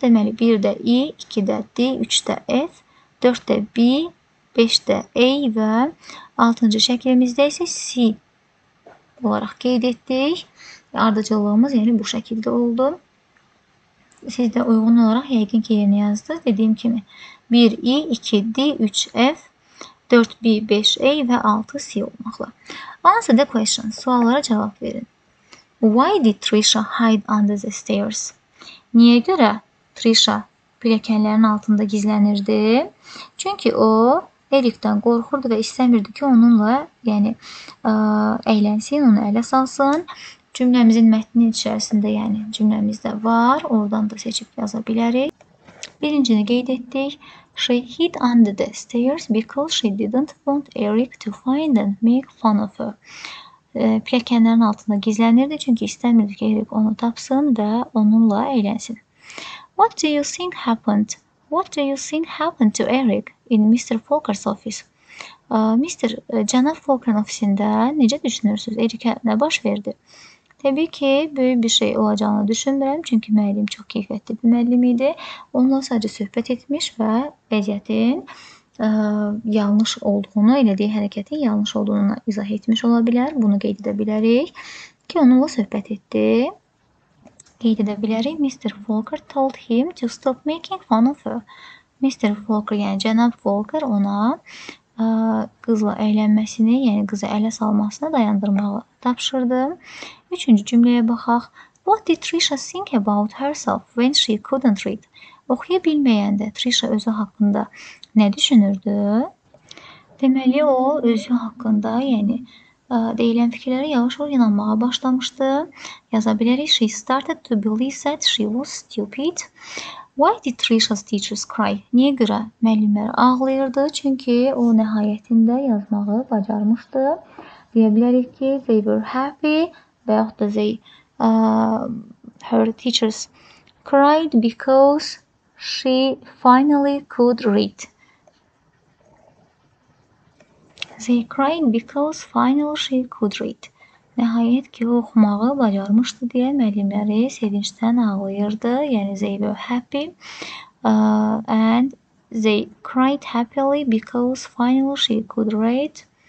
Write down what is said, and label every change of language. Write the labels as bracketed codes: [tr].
[az] Deməli, 1-də İ, 2-də D, 3-də F, 4-də B, 5-də A və 6-cı şəkilimizdə isə C olaraq qeyd etdik. Ardıcılığımız yəni bu şəkildə oldu. Siz də uyğun olaraq yəqin ki, yerinə yazdınız. Dediyim kimi, 1-I, 2-D, 3-F, 4-B, 5-A və 6-C olmaqla. [en] Answer the question. [az] Suallara cavab verin. [en] Why did Trisha hide under the stairs? [az] Niyə görə Trisha pilləkənlərin altında gizlənirdi? Çünki o Erikdən qorxurdu və istəmirdi ki, onunla, yəni, əylənsin, onu ələ salsın. Cümləmizin mətninin içərisində, yəni, cümləmizdə var. Oradan da seçib yaza bilərik. Birincini qeyd etdik. [en] She hid under the stairs because she didn't want Eric to find and make fun of her. [az] Pilləkənlərin altında gizlənirdi, çünki istəmirdi ki, Eric onu tapsın və onunla əylənsin. [en] What do you think happened? What do you think happened to Eric in Mr. Falcon's office? Mr. [az] Cənab Falcon ofisində necə düşünürsünüz? Eric nə baş verdi? Təbii ki, böyük bir şey olacağını düşünmürəm. Çünki müəllim çox keyfiyyətli bir müəllim idi. Onunla sadəcə söhbət etmiş və vəziyyətin yanlış olduğunu, elədiyi hərəkətin yanlış olduğunu izah etmiş ola bilər. Bunu qeyd edə bilərik ki, onunla söhbət etdi. Qeyd edə bilərik, [en] Mr. Falcon told him to stop making fun of her. Mr. Falcon, [az] yəni cənab Falcon ona qızla evlənməsini, yəni qızı ələ salmasını dayandırmağı tapşırdım. Üçüncü cümləyə baxaq. [en] What did Trisha think about herself when she couldn't read? [az] Oxuya bilməyəndə Trisha özü haqqında nə düşünürdü? Deməli, o özü haqqında, yəni deyilən fikirlərə yavaş-yavaş inanmağa başlamışdı. Yaza bilərik, [en] she started to believe that she was stupid. Why did Trisha's teachers cry? [az] Niyə görə müəllimlər ağlayırdı? Çünki o nəhayətində yazmağı bacarmışdı. Deyə bilərik ki, [en] they were happy [az] və yaxud da [en] they, her teachers cried because she finally could read. They cried because finally she could read. [az] Nəhayət ki, o oxumağı bacarmışdı deyə müəllimləri sevincdən ağlayırdı. [en] Yəni, they were happy and they cried happily because finally she could read.